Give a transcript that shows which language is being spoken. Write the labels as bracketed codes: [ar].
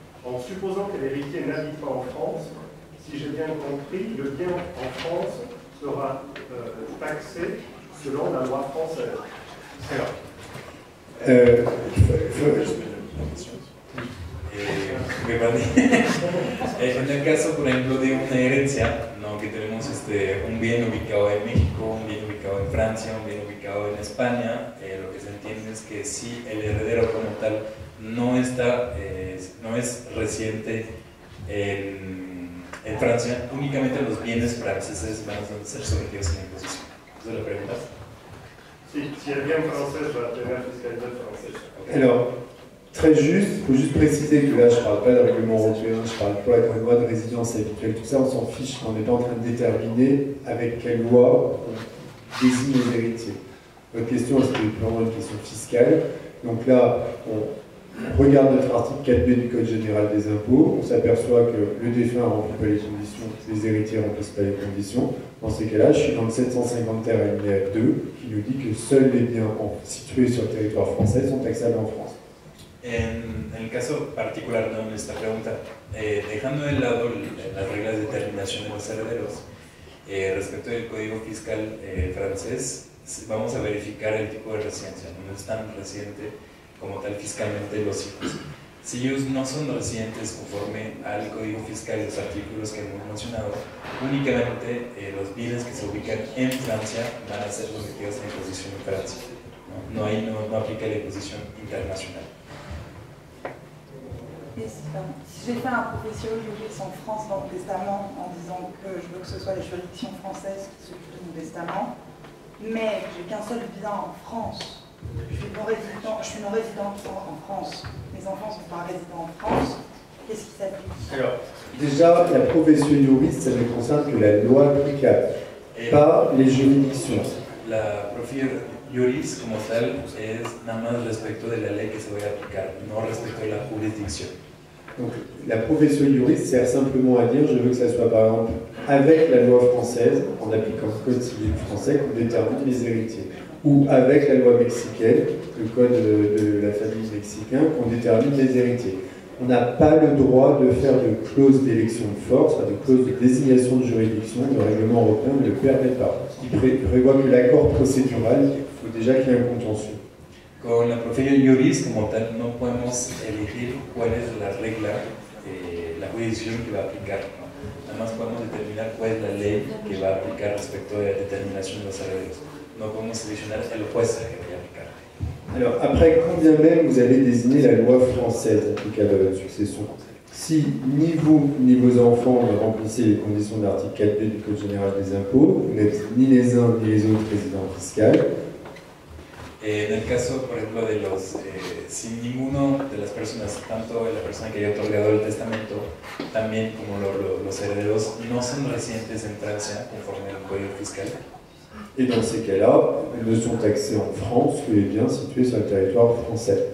[fr] En supposant que l'héritier n'habite pas en France, si j'ai bien compris, le bien en France sera taxé selon la loi française. C'est là. Je vais juste poser une question. [es] me perdí. En el caso, por ejemplo, de una herencia, ¿no? Que tenemos un bien ubicado en México, un bien ubicado en Francia, un bien ubicado en España, lo que se entiende es que si el heredero como tal no está, no es reciente en Francia, únicamente los bienes franceses van a ser sometidos a la imposición. ¿Esa es la pregunta? Sí, si el bien francés va a tener fiscalidad francesa. [en] Okay. Hello. [fr] Très juste, il faut juste préciser que là je ne parle pas de règlement européen, je ne parle pas de loi de résidence habituelle, tout ça on s'en fiche, on n'est pas en train de déterminer avec quelle loi on désigne les héritiers. Votre question est vraiment une question fiscale, donc là on regarde notre article 4b du Code général des impôts, on s'aperçoit que le défunt ne remplit pas les conditions, les héritiers ne remplissent pas les conditions. Dans ces cas-là, je suis dans le 750 alinéa 2 qui nous dit que seuls les biens situés sur le territoire français sont taxables en France. [es] En el caso particular, ¿no?, en esta pregunta, dejando de lado las reglas de determinación de los herederos, respecto del código fiscal francés, vamos a verificar el tipo de residencia, no es tan reciente como tal fiscalmente los hijos. Si ellos no son residentes conforme al código fiscal y los artículos que hemos mencionado, únicamente los bienes que se ubican en Francia van a ser sometidos a la imposición en Francia, ¿no? No, hay, no, no aplica la imposición internacional. [fr] Si j'ai fait un prophétie aujourd'hui sans France dans le testament en disant que je veux que ce soit les juridictions françaises qui s'occupent de mon testament, mais j'ai qu'un seul bien en France, je suis non résidente en France, mes enfants ne sont pas résidents en France, qu'est-ce qui s'applique? Alors, déjà, la prophétie juridique, ça ne concerne que la loi applicable, pas les juridictions. [es] La prophétie juris, como tal, es nada más respecto de la ley que se va a aplicar, no respecto de la jurisdicción. Entonces, la profesión juris [fr] sert simplement [es] a decir, [fr] je veux que ça soit, par exemple, avec la loi française, en appliquant le code civil français, qu'on détermine les héritiers. Ou avec la loi mexicaine, le code de la famille mexicaine, qu'on détermine les héritiers. On n'a pas le droit de faire de clause d'élection de force, de clause de désignation de juridiction, le règlement européen ne le permet pas. Il prévoit que l'accord procédural, faut déjà qu'il y ait un contentieux. [es] Con la profesión juris, como tal, no podemos elegir cuál es la regla, la jurisdicción que va a aplicar. ¿No? Nada más podemos determinar cuál es la ley que va a aplicar respecto de la determinación de los herederos. No podemos seleccionar el juez que va a aplicar. [fr] Alors, après, quand bien même vous allez désigner la loi française applicable à votre succession, si ni vous ni vos enfants ne remplissez les conditions de l'article 4b du Code général des impôts, vous n'êtes ni les uns ni les autres résidents fiscaux. [es] En el caso, por ejemplo, de los, si ninguno de las personas, tanto la persona que haya otorgado el testamento, también como los herederos, no son residentes en Francia conforme al código fiscal. Y en ese caso, no son taxés en Francia que los bienes situados en el territorio francés.